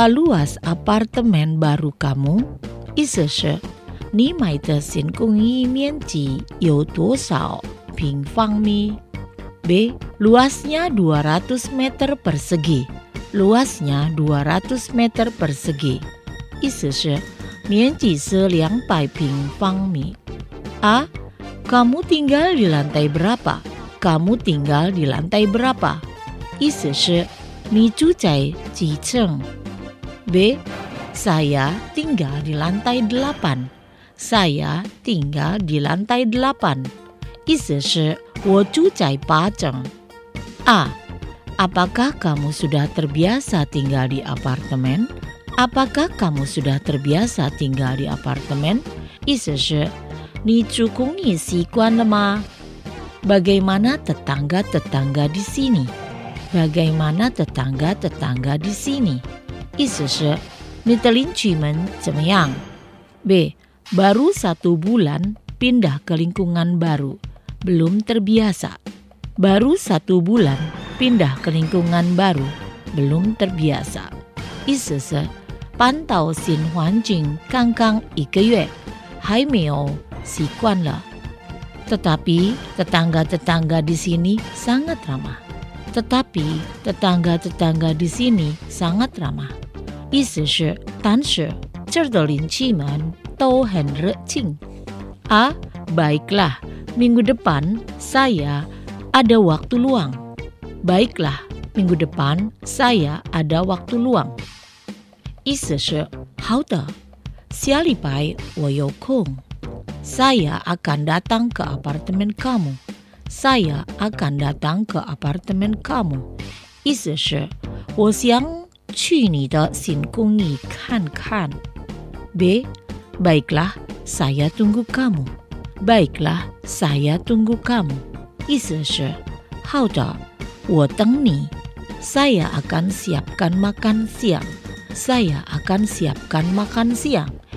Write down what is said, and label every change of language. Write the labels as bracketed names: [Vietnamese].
[Indonesian] Berapa luas apartemen baru kamu? [Chinese] 意思是你买的新公寓面积有多少平方米？ [Indonesian] B. Luasnya 200 meter persegi. [Chinese] 意思是面积是200平方米。A. [Indonesian] Kamu tinggal di lantai berapa? [Chinese] 意思是你住在几层？B. [Indonesian] Saya tinggal di lantai 8. [Chinese] 意思是我住在巴掌。A. [Indonesian] Apakah kamu sudah terbiasa tinggal di apartemen? Apakah kamu sudah terbiasa tinggal di apartemen? [Chinese] 意思是你住公寓习惯了吗？ [Indonesian] Bagaimana tetangga-tetangga di sini? Bagaimana tetangga-tetangga di sini? [Chinese] 意思是你的邻居们怎么样？ [Indonesian] B. Baru satu bulan pindah ke lingkungan baru. Belum terbiasa. Baru satu bulan pindah ke lingkungan baru. Belum terbiasa. [Chinese] 意思是搬到新环境刚刚一个月，还没有习惯了。 [Indonesian] Tetapi tetangga-tetangga di sini sangat ramah. Tetapi tetangga-tetangga di sini sangat ramah. [Chinese] 意思是但是这儿的邻居们都很热情。 A. [Indonesian] Baiklah, minggu depan saya ada waktu luang. Baiklah, minggu depan saya ada waktu luang. [Chinese] 意思是好的，下礼拜我有空。 [Indonesian] Saya akan datang ke apartemen kamu. Saya akan datang ke apartemen kamu. [Chinese] 意思是我想去你的新公寓看看。 [Indonesian] B. Baiklah. Saya tunggu kamu. Baiklah, saya tunggu kamu. [Chinese] 意思是好的，我等你。 [Indonesian] Saya akan siapkan makan siang. Saya akan siapkan makan siang.